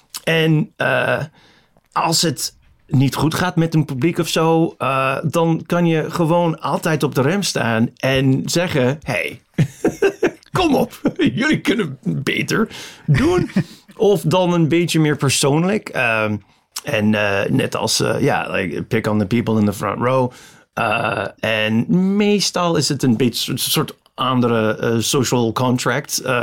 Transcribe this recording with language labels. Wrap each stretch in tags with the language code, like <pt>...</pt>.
<nl>En als het niet goed gaat met een publiek of zo, dan kan je gewoon altijd op de rem staan en zeggen, hey, kom op, jullie kunnen beter doen. Of dan een beetje meer persoonlijk.</nl> <en>Like pick on the people in the front row.</en> <nl>En meestal is het een beetje een soort andere social contract.</nl>